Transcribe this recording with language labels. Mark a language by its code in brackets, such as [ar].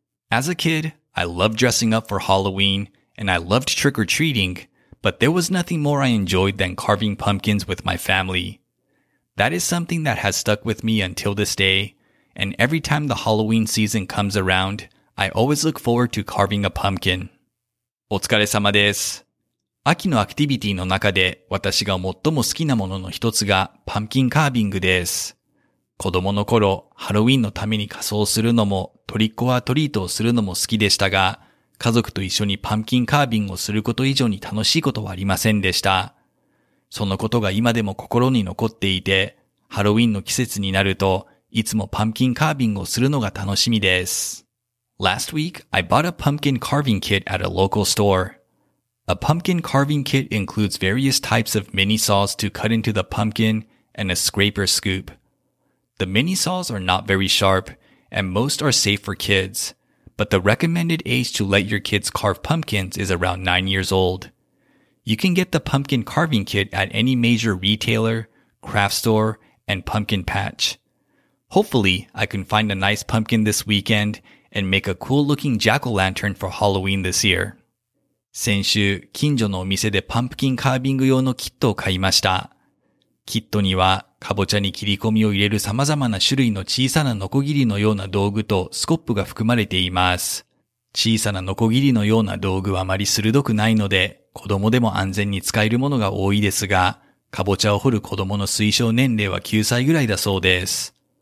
[en] As a kid, I loved dressing up for Halloween and I loved trick-or-treating, but there was nothing more I enjoyed than carving pumpkins with my family. That is something that has stuck with me until this day, and every time the Halloween season comes around, I always look forward to carving a pumpkin. [ja] お疲れ様です。秋のアクティビティの中で私が最も好きなものの一つがパンキンカービングです。子供の頃、ハロウィンのために仮装するのもトリコアトリートをするのも好きでしたが、家族と一緒にパンキンカービングをすること以上に楽しいことはありませんでした。そのことが今でも心に残っていて、ハロウィンの季節になると、いつもパンキンカービングをするのが楽しみです。 [en] Last week, I bought a pumpkin carving kit at a local store. A pumpkin carving kit includes various types of mini saws to cut into the pumpkin and a scraper scoop. The mini saws are not very sharp, and most are safe for kids, but the recommended age to let your kids carve pumpkins is around 9 years old. You can get the pumpkin carving kit at any major retailer, craft store, and pumpkin patch. Hopefully, I can find a nice pumpkin this weekend and make a cool-looking jack-o'-lantern for Halloween this year. [ja] 先週、近所のお店でパンプキンカービング用のキットを買いました。キットには、かぼちゃに切り込みを入れる様々な種類の小さなノコギリのような道具とスコップが含まれています。小さなノコギリのような道具はあまり鋭くないので、子供でも安全に使えるものが多いですが、かぼちゃを掘る子供の推奨年齢は9歳ぐらいだそうです。